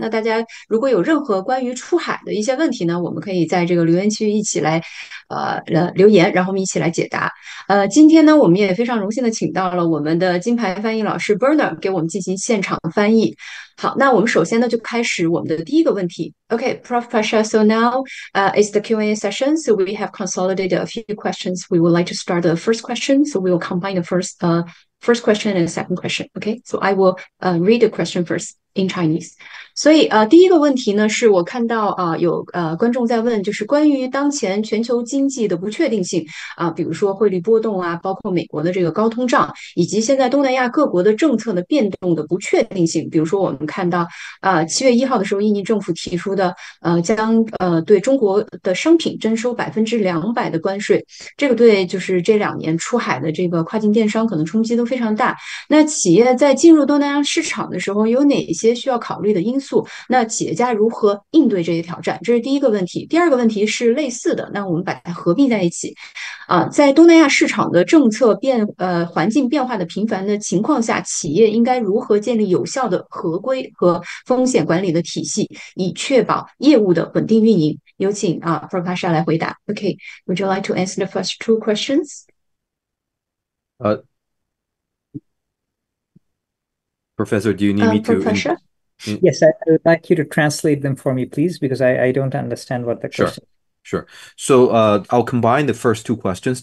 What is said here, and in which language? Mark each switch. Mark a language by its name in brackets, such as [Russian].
[Chinese] 那大家如果有任何关于出海的一些问题呢，我们可以在这个留言区一起来，留言，然后我们一起来解答。今天呢，我们也非常荣幸的请到了我们的金牌翻译老师 Burner 给我们进行现场翻译。好，那我们首先呢就开始我们的第一个问题。 [English] OK，Prof. Pasha, so now is the Q&A session. So we have consolidated a few questions. We would like to start the first question. So we will combine the first question and second question. OK, so I will read the question first in Chinese. [Chinese] 所以第一个问题呢，是我看到有观众在问，就是关于当前全球经济的不确定性比如说汇率波动啊，包括美国的这个高通胀，以及现在东南亚各国的政策的变动的不确定性。比如说我们看到7月1号的时候，印尼政府提出的将对中国的商品征收200%的关税，这个对就是这两年出海的这个跨境电商可能冲击都非常大。那企业在进入东南亚市场的时候，有哪些需要考虑的因素？那企业家如何应对这些挑战？这是第一个问题。第二个问题是类似的，那我们把它合并在一起。在东南亚市场的政策环境变化的频繁的情况下，企业应该如何建立有效的合规和风险管理的体系，以确保业务的稳定运营？有请Prof. Pasha 来回答。 [English] OK，Would you like to answer the first two questions？ Professor, do you need me to in, Professor？ in? Yes, I would like you to translate them for me, please, because I don't understand what the Sure, question. sure. So I'll combine the first two questions.